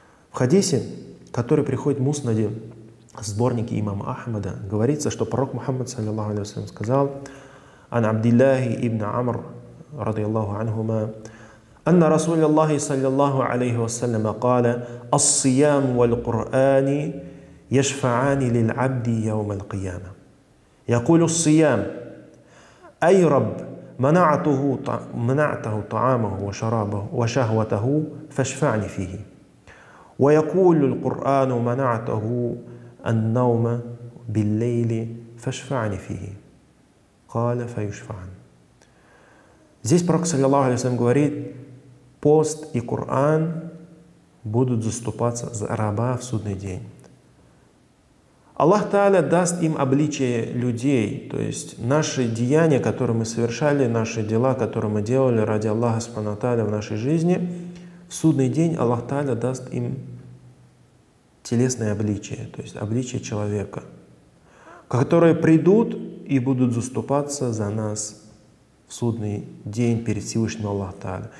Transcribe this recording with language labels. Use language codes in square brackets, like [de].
[ru] В хадисе, который приходит в муснаде, сборнике имама Ахмада, говорится, что пророк Мухаммад, саллиллаху алейхи ва саллям, сказал: [ar] «Ан Абдиллахи ибн Амр, радиаллаху анхума, анна Расулиллахи, саллиллаху алейхи ва саллям, кала: «Ас-сиям валь-Кур'ани яшфа'ани лил-абди яума л-Кияма. Якулю ас-сиям, ай Раб, منعته طعامه وشرابه وشهوته فاشفعني فيه. ويقول القرآن منعته النوم بالليل فاشفعني فيه. قال فيشفعن». [ru] Здесь пророк, саллиллаху алейхи ва саллям, говорит: пост и Коран будут заступаться за раба в судный день. Аллах Тааля даст им обличие людей, то есть наши деяния, которые мы совершали, наши дела, которые мы делали ради Аллаха Субхана ва Тааля в нашей жизни, в судный день Аллах Тааля даст им телесное обличие, то есть обличие человека, которые придут и будут заступаться за нас в судный день перед Всевышним Аллах Тааля.